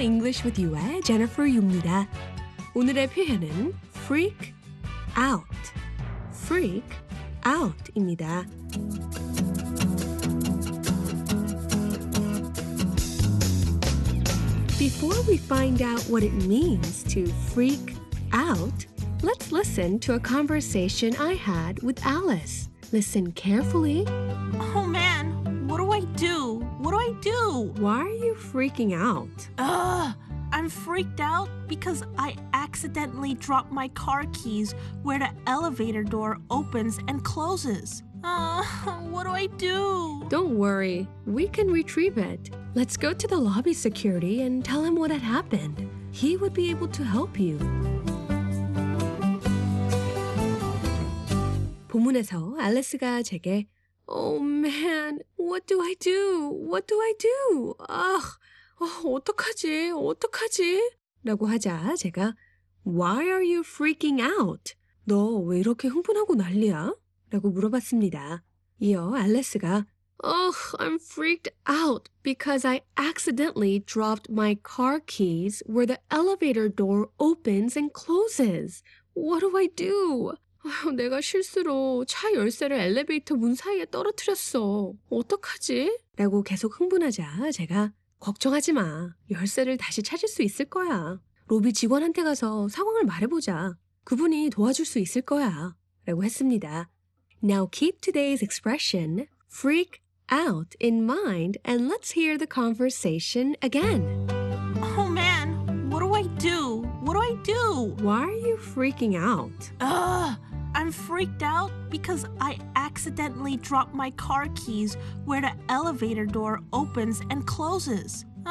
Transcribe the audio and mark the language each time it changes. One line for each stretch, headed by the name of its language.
Korean: English with you의 Jennifer Yu입니다. 오늘의 표현은 freak out. freak out입니다.
English: Before we find out what it means to freak out, let's listen to a conversation I had with Alice. Listen carefully. Oh man, what do I do? What do I do? Why are you freaking out? Ugh, I'm freaked out because I accidentally dropped my car keys where the elevator door opens and closes. What do I do? Don't worry, we can retrieve it. Let's go to the lobby security and tell him what had happened. He would be able to help you.
Korean: 본문에서 알리스가 제게
English: Oh man, what do I do? What do I do?
Korean: Ugh, 어떡하지? 어떡하지? 라고 하자 제가
English: Why are you freaking out?
Korean: 너 왜 이렇게 흥분하고 난리야? 라고 물어봤습니다. 이어 알리스가
English: Ugh, I'm freaked out because I accidentally dropped my car keys where the elevator door opens and closes. What do I do?
Korean: 내가 실수로 차 열쇠를 엘리베이터 문 사이에 떨어뜨렸어. 어떡하지? 라고 계속 흥분하자 제가 걱정하지 마. 열쇠를 다시 찾을 수 있을 거야. 로비 직원한테 가서 상황을 말해보자. 그분이 도와줄 수 있을 거야. 라고 했습니다.
English: Now keep today's expression, freak out in mind, and let's hear the conversation again. Oh man, what do I do? What do I do? Why are you freaking out? Ugh, I'm freaked out because I accidentally dropped my car keys where the elevator door opens and closes.